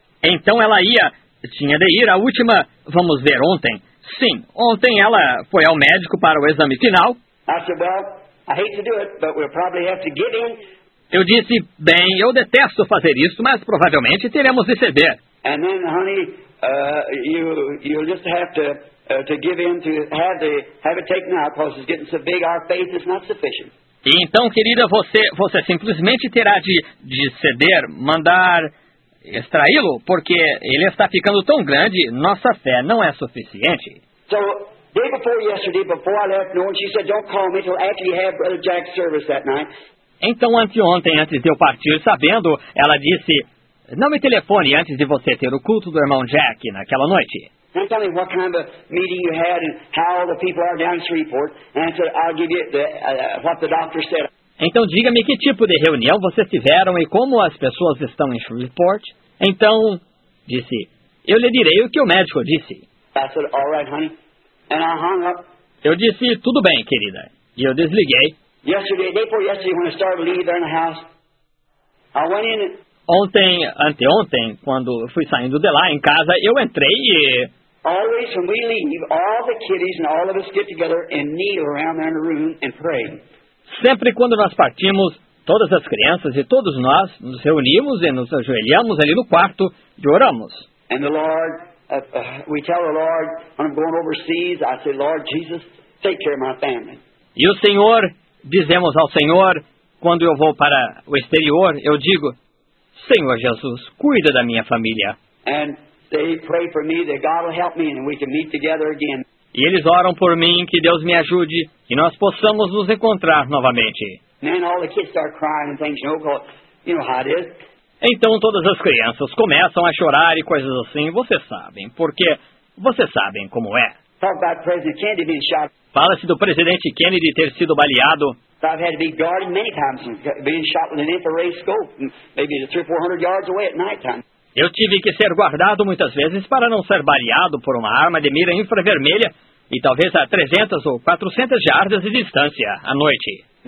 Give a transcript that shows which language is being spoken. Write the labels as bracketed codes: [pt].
[pt] Então ela ia, tinha de ir, a última, vamos ver ontem, Sim, ontem ela foi ao médico para o exame final. [en] I said, well, I hate to do it, but we'll probably have to get in. [pt] Eu disse, bem, eu detesto fazer isso, mas provavelmente teremos de ceder. [en] And then, honey, you'll just have to give in to have it taken out, because it's getting so big, our faith is not sufficient. [pt] E então, querida, você simplesmente terá de ceder, mandar extraí-lo, porque ele está ficando tão grande, nossa fé não é suficiente. [en] So, day before yesterday, before I left, Norman, she said, don't call me until after you have Brother Jack's service that night. [pt] Então, anteontem, antes de eu partir sabendo, ela disse, não me telefone antes de você ter o culto do irmão Jack naquela noite. [en] And tell me what kind of meeting you had and how the people are down in Shreveport. And I said, I'll give you what the doctor said. [pt] Então diga-me que tipo de reunião vocês tiveram e como as pessoas estão em Shreveport. Então, disse, eu lhe direi o que o médico disse. [en] I said, all right, honey. And I hung up. [pt] Eu disse, tudo bem, querida. E eu desliguei. [en] Yesterday, day before yesterday, when I started to leave there in the house, I went in and... [pt] Ontem, anteontem, quando fui saindo de lá em casa, eu entrei e... [en] Always when we leave, all the kiddies and all of us get together and kneel around there in the room and pray. [pt] Sempre quando nós partimos, todas as crianças e todos nós nos reunimos e nos ajoelhamos ali no quarto e oramos. [en] And the Lord, we tell the Lord, I'm going overseas, I say, Lord Jesus, take care of my family. [pt] E o Senhor, dizemos ao Senhor, quando eu vou para o exterior, eu digo... Senhor Jesus, cuida da minha família. [en] And they pray for me that God will help me and we can meet together again. [pt] E eles oram por mim que Deus me ajude e nós possamos nos encontrar novamente. [en] Then all the kids start crying and things, you know how it is. [pt] Então todas as crianças começam a chorar e coisas assim, vocês sabem, porque vocês sabem como é. [en] Talk about President Kennedy being shot. [pt] Fala-se do presidente Kennedy ter sido baleado. [en] I've had to be guarded many times and being shot with an infrared scope maybe 300-400 yards away at night time. [pt] Eu tive que ser guardado muitas vezes para não ser baleado por uma arma de mira infravermelha e talvez a 300 ou 400 yardas de distância à noite.